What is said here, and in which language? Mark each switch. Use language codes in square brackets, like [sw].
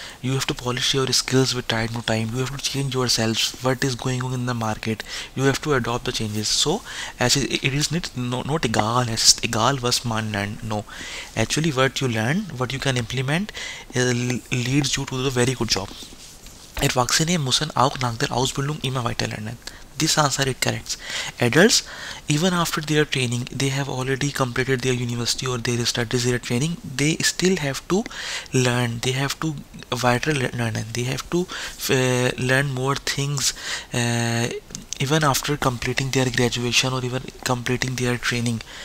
[en] You have to polish your skills with time to time. You have to change yourselves. What is going on in the market? You have to adopt the changes. So as it is not egal, as [de] egal was man [en] learn. No, actually what you learn, what you can implement, leads you to the very good job. [de] Erwachsene müssen auch nach der Ausbildung immer weiter lernen. [en] This answer is correct. Adults, even after their training, they have already completed their university or their studies, their training, they still have to learn. They have to vital learning. They have to learn more things even after completing their graduation or even completing their training.